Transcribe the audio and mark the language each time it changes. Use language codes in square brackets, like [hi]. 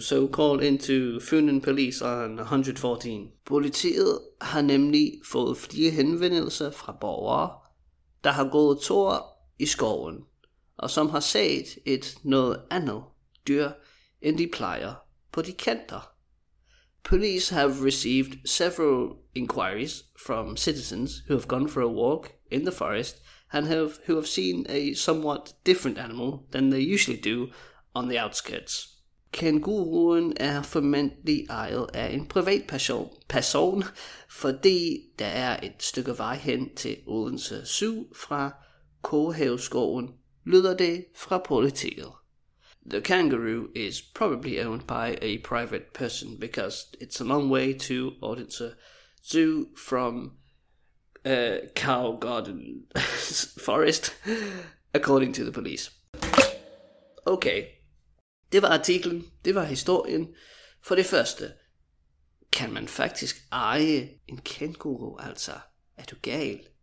[en] So call into Funen Police on 114. [da] Politiet har nemlig fået flere henvendelser fra borgere, der har gået tår i skoven, og som har set et noget andet dyr, end de plejer på de kanter. [en] Police have received several inquiries from citizens who have gone for a walk in the forest and who have seen a somewhat different animal than they usually do on the outskirts. [da] Kænguruen er formentlig ejet af en privat person, fordi der er et stykke vej hen til Odense Zoo fra Koghaveskoven, lyder det fra politiet. [en] The kangaroo is probably owned by a private person because it's a long way to Odense Zoo from Cow Garden Forest, according to the police. [da] Okay, det var artiklen, det var historien. For det første, kan man faktisk eje en kænguru, altså? Er du gal?